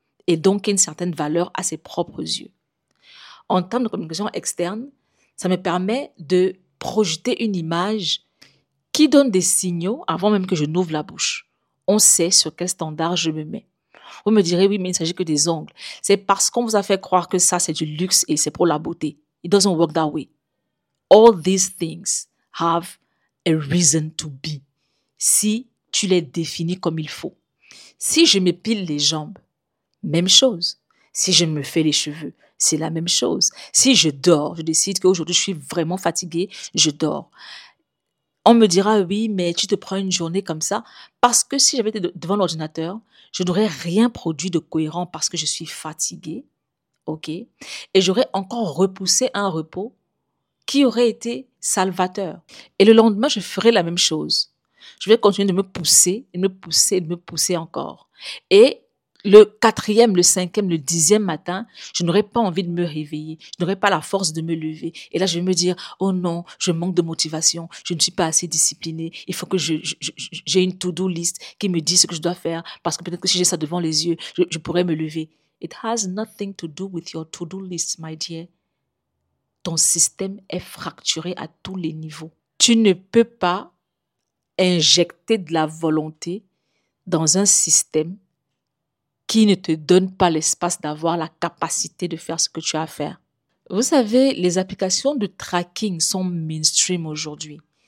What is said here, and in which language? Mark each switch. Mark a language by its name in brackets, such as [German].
[French] Et donc, une certaine valeur à ses propres yeux. En termes de communication externe, ça me permet de projeter une image qui donne des signaux avant même que je n'ouvre la bouche. On sait sur quel standard je me mets. Vous me direz, oui, mais il ne s'agit que des ongles. C'est parce qu'on vous a fait croire que ça, c'est du luxe et c'est pour la beauté. [English] It doesn't work that way. All these things have a reason to be. [French] Si tu les définis comme il faut. Si je m'épile les jambes, même chose. Si je me fais les cheveux, c'est la même chose. Si je dors, je décide qu'aujourd'hui, je suis vraiment fatiguée, je dors. On me dira, oui, mais tu te prends une journée comme ça. Parce que si j'avais été devant l'ordinateur, je n'aurais rien produit de cohérent parce que je suis fatiguée. OK? Et j'aurais encore repoussé un repos qui aurait été salvateur. Et le lendemain, je ferais la même chose. Je vais continuer de me pousser, de me pousser, de me pousser encore. Et le quatrième, le cinquième, le dixième matin, je n'aurais pas envie de me réveiller. Je n'aurais pas la force de me lever. Et là, je vais me dire, oh non, je manque de motivation. Je ne suis pas assez disciplinée. Il faut que j'ai une to-do list qui me dit ce que je dois faire. Parce que peut-être que si j'ai ça devant les yeux, je pourrais me lever. [English] It has nothing to do with your to-do list, my dear. [French] Ton système est fracturé à tous les niveaux. Tu ne peux pas injecter de la volonté dans un système qui ne te donne pas l'espace d'avoir la capacité de faire ce que tu as à faire. Vous savez, les applications de tracking sont mainstream aujourd'hui.